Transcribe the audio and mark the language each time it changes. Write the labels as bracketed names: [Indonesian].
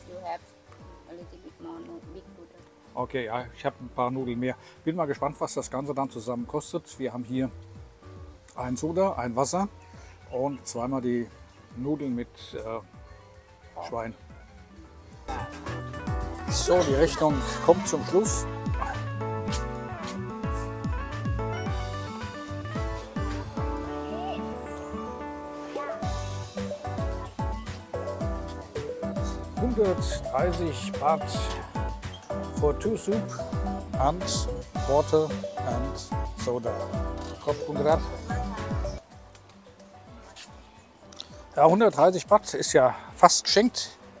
[English] You have a little bit more big noodles. [German] Okay, ja, ich habe ein paar Nudeln mehr. Bin mal gespannt, was das Ganze dann zusammen kostet. Wir haben hier ein Soda, ein Wasser und zweimal die Nudeln mit Schwein. So, die Rechnung kommt zum Schluss. [English] $130 for two soup and water and soda. [German] Kommt gut ran. Ja, $130 ist ja fast geschenkt.